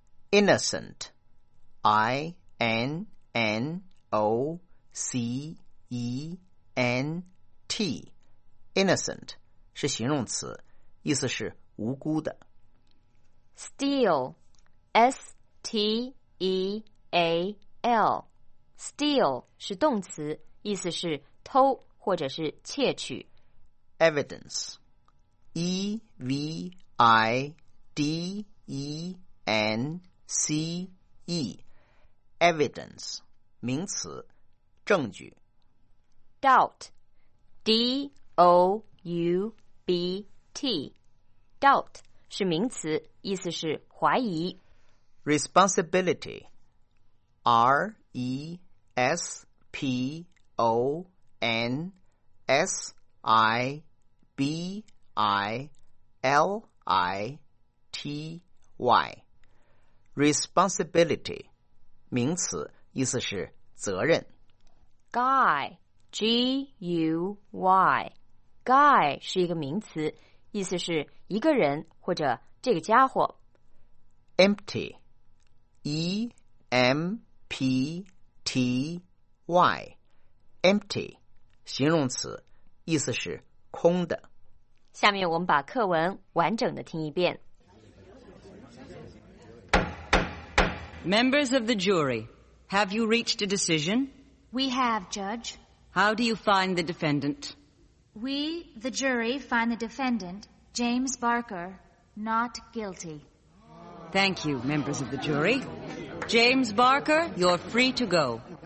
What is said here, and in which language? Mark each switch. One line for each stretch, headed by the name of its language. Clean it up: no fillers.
Chinese: Innocent, I-N-N-O-C-E-N-T,Innocent 是形容词，意思是无辜的。 Steal, S-T-E-A-L, Steal 是动词，意思是偷或者是窃取。 Evidence, E-V-I-D-E-N-C-E, Evidence 名词，证据。 Doubt, D-O-U-B-T, Doubt 是名词，意思是怀疑。 Responsibility, R-E-S-P-O-N-S-I-B-I-L-I-T-Y, Responsibility 名词，意思是责任。 Guy, G-U-Y,Guy 是一个名词，意思是一个人或者这个家伙。 Empty, E-M-P-T-Y, Empty, 形容词，意思是空的。下面我们把课文完整的听一遍。
English: Members of the jury, have you reached a decision? We have, Judge. How do you find the defendant? We, the jury, find the defendant, James Barker, not guilty. Thank you, members of the jury. James Barker, you're free to go.